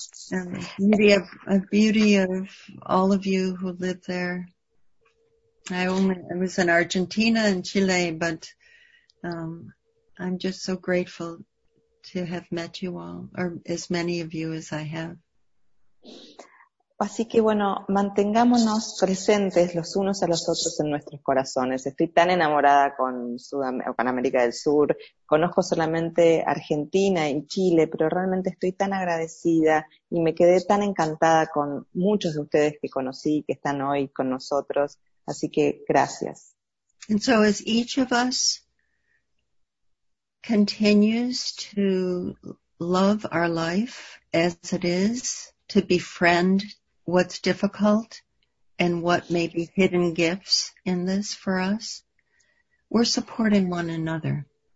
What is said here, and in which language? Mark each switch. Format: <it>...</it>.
<en>And the beauty of all of you who live there. I was in Argentina and Chile, but I'm just so grateful to have met you all, or as many of you as I have.</en> <es>Así que bueno, mantengámonos presentes los unos a los otros en nuestros corazones. Estoy tan enamorada con América del Sur. Conozco solamente Argentina y Chile, pero realmente estoy tan agradecida y me quedé tan encantada con muchos de ustedes que conocí y que están hoy con nosotros. Así que gracias.</es> <en>And so as each of us continues to love our life as it is, to befriend what's difficult and what may be hidden gifts in this for us, we're supporting one another.</en>